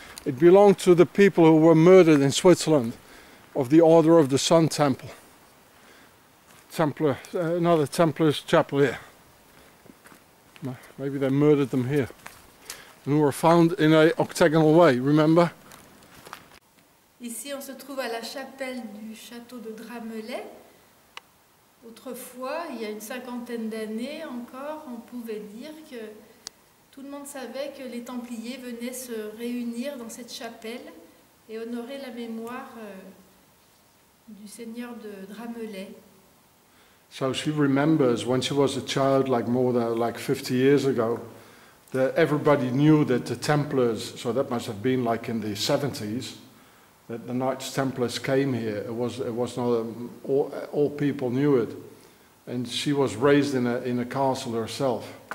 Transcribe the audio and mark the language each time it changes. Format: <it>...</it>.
<en>It belonged to the people who were murdered in Switzerland of the Order of the Sun Temple. Another Templar's chapel here. Maybe they murdered them here. And were found in an octagonal way, remember?</en> <fr>Ici, on se trouve à la chapelle du château de Dramelay. Autrefois, il y a une cinquantaine d'années encore, on pouvait dire que tout le monde savait que les Templiers venaient se réunir dans cette chapelle et honorer la mémoire du seigneur de Dramelay.</fr> <en>So she remembers when she was a child, like more than like 50 years ago, that everybody knew that the Templars, so that must have been like in the 70s, that the Knights Templars came here. All people knew it. And she was raised in a castle herself.</en>